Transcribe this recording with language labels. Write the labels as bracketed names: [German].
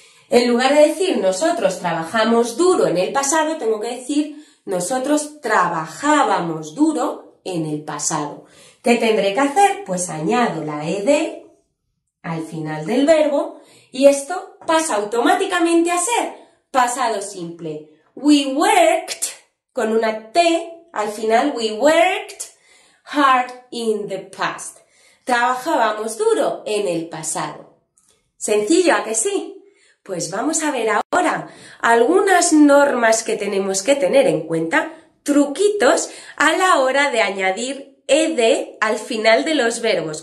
[Spanish] En lugar de decir nosotros trabajamos duro en el pasado, tengo que decir nosotros trabajábamos duro en el pasado. ¿Qué tendré que hacer? Pues añado la ed al final del verbo y esto pasa automáticamente a ser pasado simple. [English] We worked, [Spanish] con una t al final, [English] we worked hard in the past. [Spanish] Trabajábamos duro en el pasado. ¿Sencillo, a que sí? Pues vamos a ver ahora algunas normas que tenemos que tener en cuenta, truquitos a la hora de añadir ed al final de los verbos.